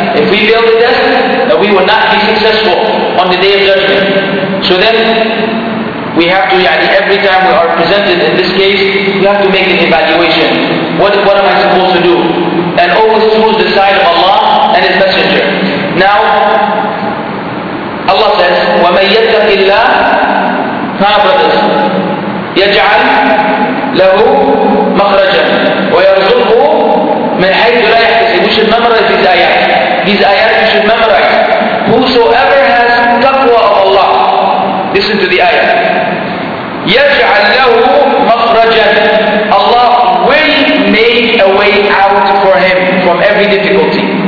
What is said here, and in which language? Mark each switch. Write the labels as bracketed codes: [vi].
[en] fail the test, that we will not be successful on the day of judgment. So then, we have to, yani, every time we are presented in this case, we have to make an evaluation. What am I supposed to do? And always choose the side of Allah and His Messenger. Now, Allah says, [ar] وَمَنْ يَتَّقِ اللَّهِ فَعَبْرَدَسْ يَجْعَلْ لَهُ مَخْرَجًا وَيَرْزُقْهُ مِنْ حَيْثُ لَا يَحْتَسِبْ. [en] We should memorize these ayat. These ayat you should memorize. Whosoever has taqwa of Allah, listen to the ayat. [ar] يَجْعَلْ لَهُ مَخْرَجًا. [en] Allah will make a way out for him from every difficulty.